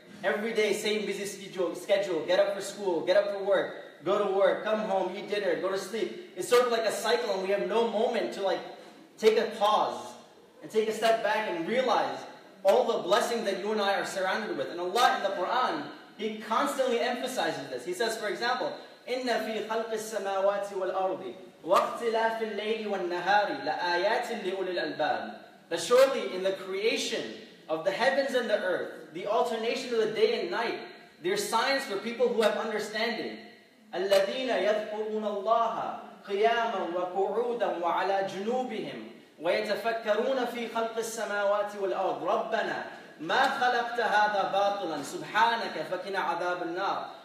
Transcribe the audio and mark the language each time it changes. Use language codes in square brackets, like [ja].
[en] Every day, same busy schedule, get up for school, get up for work, go to work, come home, eat dinner, go to sleep. It's sort of like a cycle and we have no moment to like take a pause and take a step back and realize all the blessings that you and I are surrounded with. And Allah in the Quran, He constantly emphasizes this. He says, for example, [ar] إِنَّ فِي خَلْقِ السَّمَاوَاتِ وَالْأَرْضِ وَاخْتِلَافِ اللَّيْلِ وَالنَّهَارِ لَآيَاتٍ لِأُولِي الْأَلْبَابِ. [en] That surely in the creation of the heavens and the earth, the alternation of the day and night, there are signs for people who have understanding. [ar] الَّذِينَ يَذْكُرُونَ اللَّهَ قِيَامًا وَقُعُودًا وَعَلَى جُنُوبِهِمْ وَيَتَفَكَّرُونَ فِي خَلْقِ السَّمَاوَاتِ وَالْأَرْضِ رَبَّنَا مَا خَلَقْتَ هَذَا بَاطِلًا سُبْحَانَكَ فَكِنَ عَذَابَ النَّارِ.